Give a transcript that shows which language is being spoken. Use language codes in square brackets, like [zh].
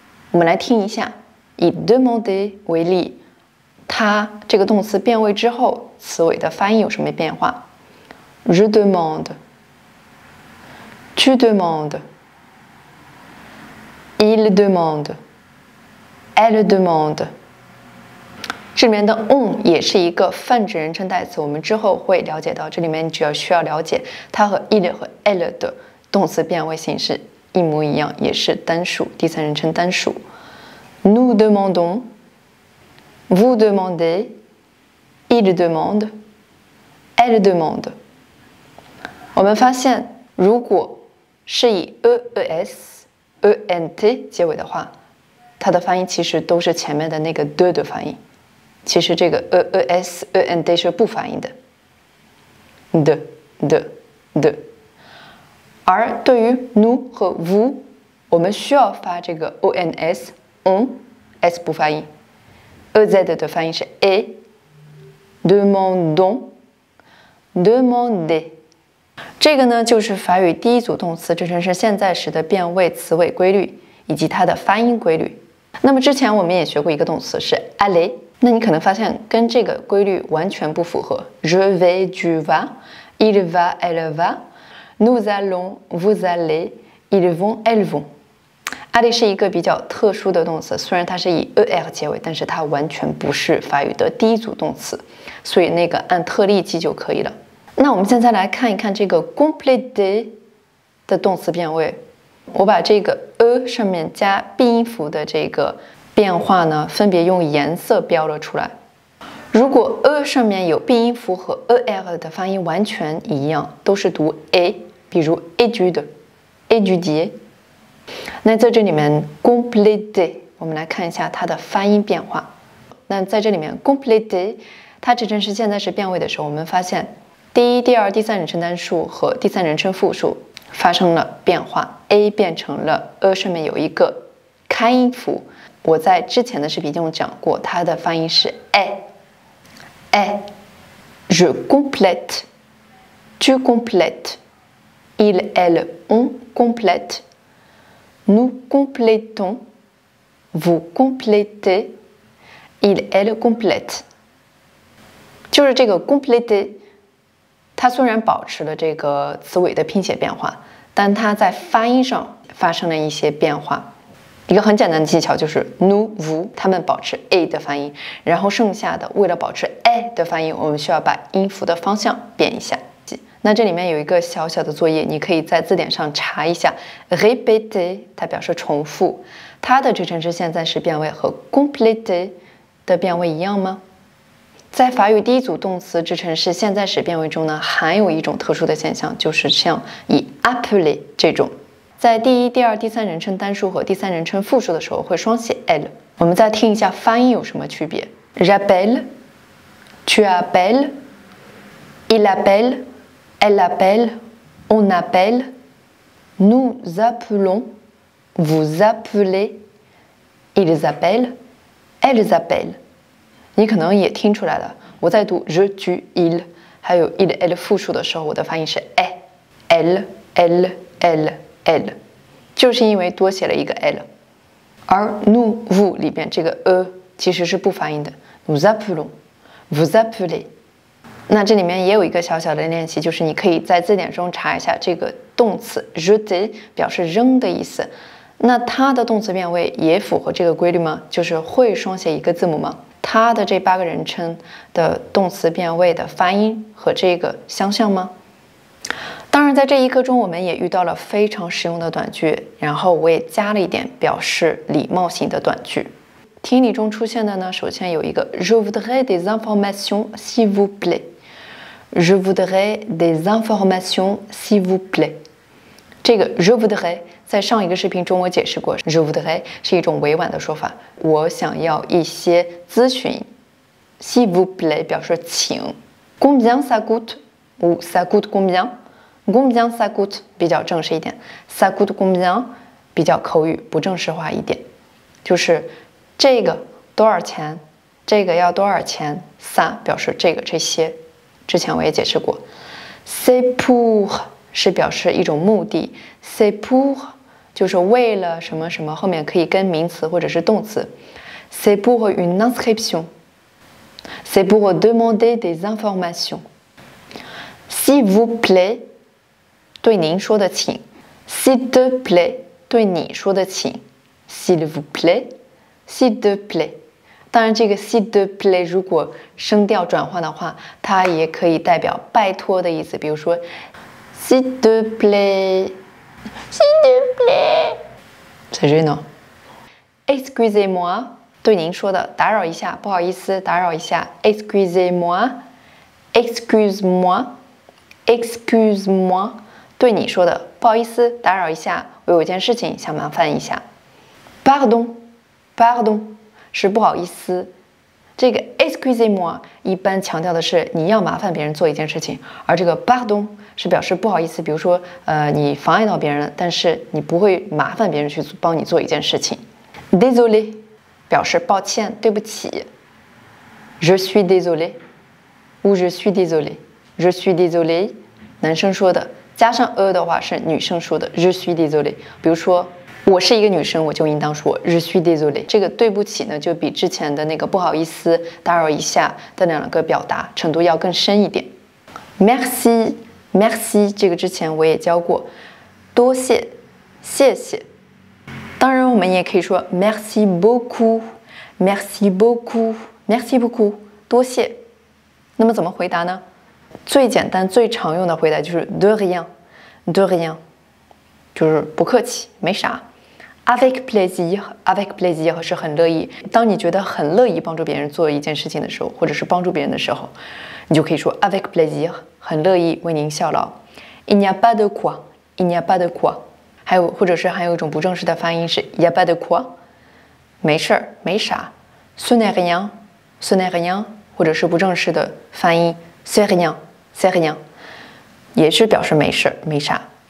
[zh] 我们来听一下，以 demander 为例，它这个动词变位之后，词尾的发音有什么变化 ？ [fr] Je demande, tu demandes, il demande, elle demande. [zh] 这里面的 on 也是一个泛指人称代词，我们之后会了解到，这里面你只要需要了解它和 il 和 elle 的动词变位形式一模一样，也是单数，第三人称单数。 [fr] Nous demandons, vous demandez, il demande, elle demande。 [zh] 我们发现，如果是以 es, ent 结尾的话，它的发音其实都是前面的那个 de 的发音。其实这个 es ent 是不发音的 ，de。而对于 nous 和 vous， 我们需要发这个 ons， on s 不发音 ，ez 的发音是 a， [fr] Demandons, demander. [zh] 这个呢，就是法语第一组动词，这正是现在时的变位词尾规律以及它的发音规律。那么之前我们也学过一个动词是 aller， 那你可能发现跟这个规律完全不符合。 [fr] Je vais, tu vas, il va, elle va, nous allons, vous allez, ils vont, elles vont。 [zh] aller 是一个比较特殊的动词，虽然它是以 er 结尾，但是它完全不是法语的第一组动词，所以那个按特例记就可以了。那我们现在来看一看这个 compléter 的动词变位。我把这个 上面加病音符的这个变化呢，分别用颜色标了出来。如果 上面有病音符和 er 的发音完全一样，都是读 a， 比如 étude、étudier。那在这里面 compléter， 我们来看一下它的发音变化。那在这里面 compléter， 它指正式现在时变位的时候，我们发现第一、第二、第三人称单数和第三人称复数发生了变化， A 变成了 上面有一个开音符。我在之前的视频中讲过，它的发音是 [fr] Je complète, tu complètes, il, elle, on complète, nous complétons, vous complétez, il, elle complète。 [zh] 就是这个 compléter，它虽然保持了这个词尾的拼写变化，但它在发音上发生了一些变化。一个很简单的技巧就是 nous, vous 它们保持 a 的发音，然后剩下的为了保持 a 的发音，我们需要把音符的方向变一下。那这里面有一个小小的作业，你可以在字典上查一下 répéter， 它表示重复，它的指正式现在时变位和 compléter 的变位一样吗？在法语第一组动词指称是现在时变位中呢，还有一种特殊的现象，就是像以 appeler 这种，在第一、第二、第三人称单数和第三人称复数的时候会双写 l。我们再听一下发音有什么区别。 [fr] J'appelle, tu appelles, il appelle, elle appelle, on appelle, nous appelons, vous appelez, ils appellent, elles appellent。 [zh] 你可能也听出来了，我在读 je, tu, il 还有 il, elle 复数的时候，我的发音是 l, l, l, l， 就是因为多写了一个 l。而 nous, vous 里面这个 其实是不发音的， [fr] nous appelons, vous appelez。 [zh] 那这里面也有一个小小的练习，就是你可以在字典中查一下这个动词 jeter 表示扔的意思，那它的动词变位也符合这个规律吗？就是会双写一个字母吗？它的这八个人称的动词变位的发音和这个相像吗？当然在这一课中我们也遇到了非常实用的短句，然后我也加了一点表示礼貌性的短句。听力中出现的呢，首先有一个 [fr] Je voudrais des informations s'il vous plaît， Je voudrais des informations s'il vous plaît。 [zh] 这个 Je voudrais 在上一个视频中我解释过， Je voudrais 是一种委婉的说法，我想要一些咨询， [fr] s'il vous plaît [zh] 表示请。 [fr] Combien ça coûte？ Ou ça coûte combien？ Combien ça coûte [zh] 比较正式一点， [fr] ça coûte combien [zh] 比较口语不正式化一点，就是这个多少钱，这个要多少钱， ça 表示这个这些，之前我也解释过。 c'est pour 是表示一种目的， c'est pour 就是为了什么什么，后面可以跟名词或者是动词。 [fr] c'est pour une inscription， c'est pour demander des informations。 s'il vous plaît [zh] 对您说的请， [fr] s'il te plaît [zh] 对你说的请， [fr] s'il vous plaît，s'il te plaît。 [zh] 当然这个 [fr] s'il te plaît [zh] 如果声调转换的话，它也可以代表拜托的意思，比如说 s'il te plaît， [fr] s'il te plaît， [zh] 在这呢 excusez-moi 对您说的，打扰一下，不好意思，打扰一下， [fr] excusez-moi， excuse-moi， excuse-moi [zh] 对你说的，不好意思，打扰一下，我有件事情想麻烦一下。 pardonPardon 是不好意思，这个 excusez-moi 一般强调的是你要麻烦别人做一件事情，而这个 pardon 是表示不好意思，比如说你妨碍到别人，但是你不会麻烦别人去帮你做一件事情。 [fr] désolé [zh] 表示抱歉，对不起。 [fr] je suis désolé， ou je suis désolé. Je suis désolé, [zh] 男生说的，加上 e 的话是女生说的 [fr] je suis désolé。 [zh] 比如说我是一个女生，我就应当说 [fr] je suis désolé。 [zh] 这个对不起呢，就比之前的那个不好意思打扰一下的两个表达程度要更深一点。 [fr] merci merci [zh] 这个之前我也教过，多谢，谢谢。当然我们也可以说 [fr] merci beaucoup merci beaucoup merci beaucoup [zh] 多谢。那么怎么回答呢？最简单最常用的回答就是 [fr] de rien de rien， [zh] 就是不客气，没啥。 [fr] avec plaisir avec plaisir [zh] 是很乐意，当你觉得很乐意帮助别人做一件事情的时候，或者是帮助别人的时候，你就可以说 avec plaisir， 很乐意为您效劳。 [fr] il n'y a pas de quoi il n'y a pas de quoi， [zh] 还有或者是还有一种不正式的发音是 [fr] il n'y a pas de quoi， [zh] 没事没啥。 [fr] ce n'est rien ce n'est rien， [zh] 或者是不正式的发音 [fr] c'est rien, c'est rien， [zh] 也是表示没事没啥。